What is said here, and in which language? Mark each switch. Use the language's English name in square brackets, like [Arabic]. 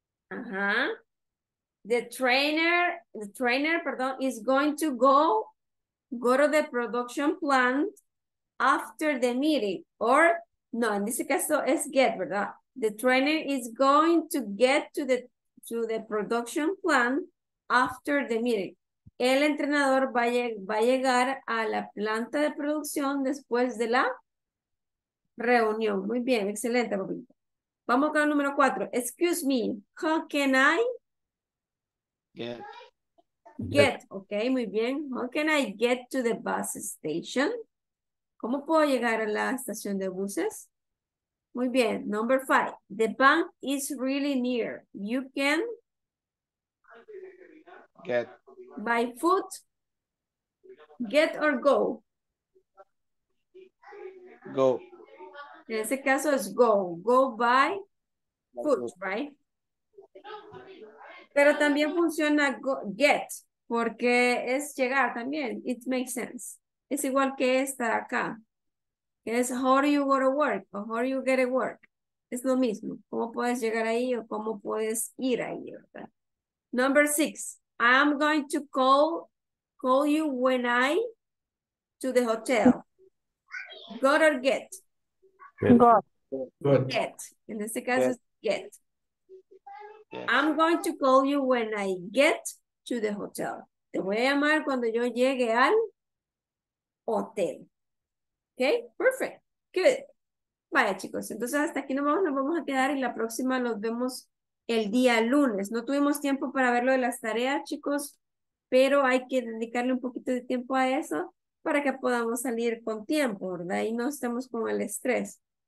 [English] Uh-huh. The trainer, is going to go to the production plant after the meeting, or no, [Spanish] en este caso es get, ¿verdad? [English] The trainer is going to get to the production plant after the meeting. [Spanish] El entrenador va a llegar a la planta de producción después de la reunión. Muy bien, excelente, Bobita. Vamos con el número 4. [English] Excuse me, how can I get, [Spanish] ok, muy bien. [English] How can I get to the bus station? [Spanish] ¿Cómo puedo llegar a la estación de buses? Muy bien. [English] Number five. The bank is really near. You can get by foot, get or go? Go. [Spanish] En ese caso es go. [English] Go by foot, right? [Spanish] Pero también funciona get porque es llegar también. [English] It makes sense. [Spanish] Es igual que esta de acá. [English] Es how do you go to work o how do you get a work. [Spanish] Es lo mismo. ¿Cómo puedes llegar ahí o cómo puedes ir ahí, verdad? [English] Number six. I'm going to call you when I to the hotel. Go or get? Go. [Spanish] Get. En este caso get. Es get. [English] I'm going to call you when I get to the hotel. [Spanish] Te voy a llamar cuando yo llegue al hotel. [English] Ok, perfect, good. [Spanish] Vaya, chicos, entonces hasta aquí nos vamos a quedar y la próxima los vemos el día lunes. No tuvimos tiempo para ver lo de las tareas, chicos, pero hay que dedicarle un poquito de tiempo a eso para que podamos salir con tiempo, ¿verdad? Y no estemos con el estrés.